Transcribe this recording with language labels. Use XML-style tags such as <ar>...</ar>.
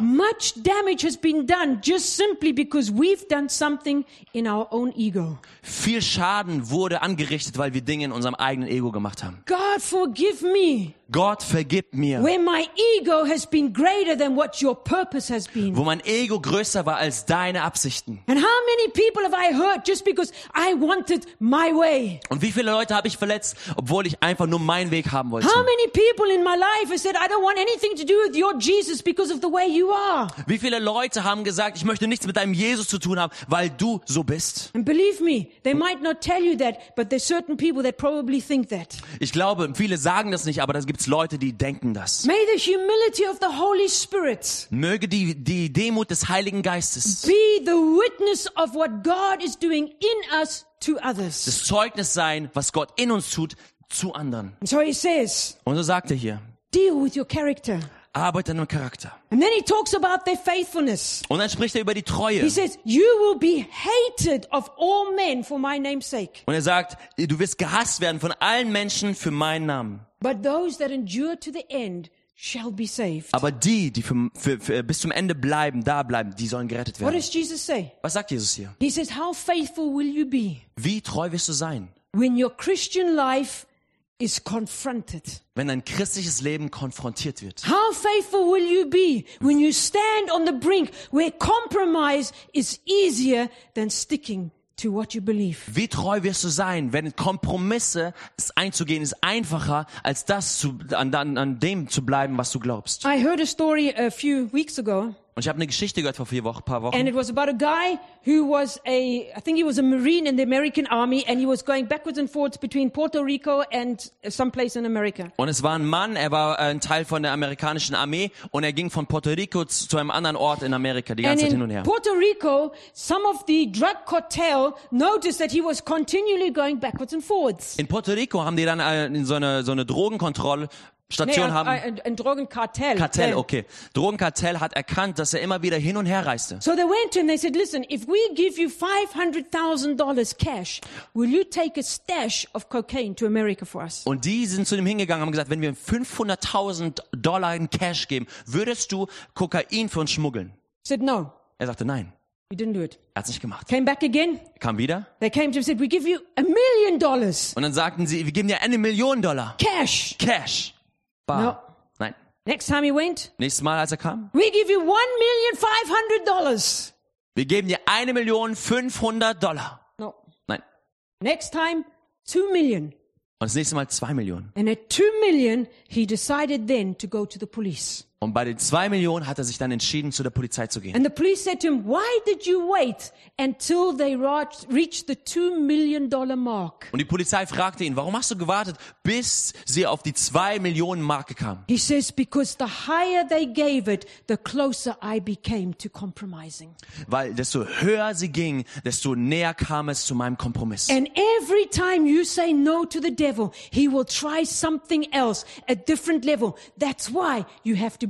<en>Much damage has been done just simply because we've done something in our own ego.</en> <de>Viel Schaden wurde angerichtet, weil wir Dinge in unserem eigenen Ego gemacht haben.</de> <en>God forgive me.</en> <de>Gott vergib mir.</de> <en>Where my ego has been greater than what your purpose has been.</en> <de>Wo mein Ego größer war als deine Absichten.</de> <en>And how many people have I hurt just because I wanted my way?</en> <de>Und wie viele Leute habe ich verletzt, obwohl ich einfach nur meinen Weg haben wollte?</de> <en>How many people in my life have said I don't want anything to do with your Jesus because of the way you are?</en> <de>Wie viele Leute haben gesagt, ich möchte nichts mit deinem Jesus zu tun haben, weil du so bist?</de> <en>And believe me, they might not tell you that, but there's certain people that probably think that.</en> <de>Ich glaube, viele sagen das nicht, aber das gibt's Leute, die denken das.</de> <en>May the humility of the Holy Spirit.</en> <de>Möge die Demut des Heiligen Geistes.</de> <en>Be the witness of what God is doing in us to others.</en> <de>Das Zeugnis sein, was Gott in uns tut, zu anderen.</de> <en>And so he says.</en> <de>Und so sagt er hier.</de> <en>Deal with your character.</en> <de>Arbeite an deinem Charakter.</de> <en>And then he talks about their faithfulness.</en> <de>Und dann spricht er über die Treue.</de> <en>He says, you will be hated of all men for my name's sake.</en> <de>Und er sagt, du wirst gehasst werden von allen Menschen für meinen Namen.</de> <en>But those that endure to the end shall be saved.</en> <de>Aber die bis zum Ende bleiben, da bleiben, die sollen gerettet werden.</de> <en>What does Jesus say?</en> <de>Was sagt Jesus hier?</de> <en>He says, how faithful will you be?</en> <de>Wie treu wirst du sein?</de> <en>When your Christian life is confronted.</en> <de>Wenn dein christliches Leben konfrontiert wird.</de> <en>How faithful will you be when you stand on the brink where compromise is easier than sticking to what you believe.</en> <de>Wie treu wirst du sein, wenn Kompromisse einzugehen ist einfacher als das an dem zu bleiben, was du glaubst.</de> <en>I heard a story a few weeks ago.</en> <de>Und ich habe eine Geschichte gehört vor paar Wochen.</de> <en>And it was about a guy who was I think he was a Marine in the American Army, and he was going backwards and forwards between Puerto Rico and some place in America.</en> <de>Und es war ein Mann, er war ein Teil von der amerikanischen Armee, und er ging von Puerto Rico zu einem anderen Ort in Amerika die ganze Zeit hin und her.</de> <en>In Puerto Rico, some of the drug cartel noticed that he was continually going backwards and forwards.</en> <de>In Puerto Rico haben die dann in so eine Drogenkontrolle Station nee, ein Drogenkartell. Kartell, okay. Drogenkartell hat erkannt, dass er immer wieder hin und her reiste.</de> <en>So they went to him, they said, listen, if we give you $500,000 cash, will you take a stash of cocaine to America for us?</en> <de>Und die sind zu ihm hingegangen, haben gesagt, wenn wir $500,000 in Cash geben, würdest du Kokain für uns schmuggeln?</de> <en>He said no.</en> <de>Er sagte nein.</de> <en>He didn't do it.</en> <de>Er hat's nicht gemacht.</de> <en>Came back again.</en> <de>Kam wieder.</de> <en>They came to him and said, we give you $1,000,000.</en> <de>Und dann sagten sie, wir geben dir $1,000,000.</de> <en>Cash. No. Nein. Next time he went.</en> <de>Nächstes Mal, als er kam.</de> <en>We give you $1,500,000.</en> <de>Wir geben dir $1,500,000.</de> <en>No.</en> <de>Nein.</de> <en>Next time $2,000,000.</en> <de>Und das nächste Mal 2 Millionen.</de> <en>And at $2,000,000, he decided then to go to the police.</en> <de>Und bei den 2 Millionen hat er sich dann entschieden, zu der Polizei zu gehen.</de> <en>And the police said to him, why did you wait until they reached the $2,000,000 mark?</en> <de>Und die Polizei fragte ihn, warum hast du gewartet, bis sie auf die 2 Millionen Marke kam?</de> <en>He says, because the higher they gave it, the closer I became to compromising.</en> <de>Weil desto höher sie ging, desto näher kam es zu meinem Kompromiss.</de> <en>And every time you say no to the devil, he will try something else, a different level. That's why you have to</en>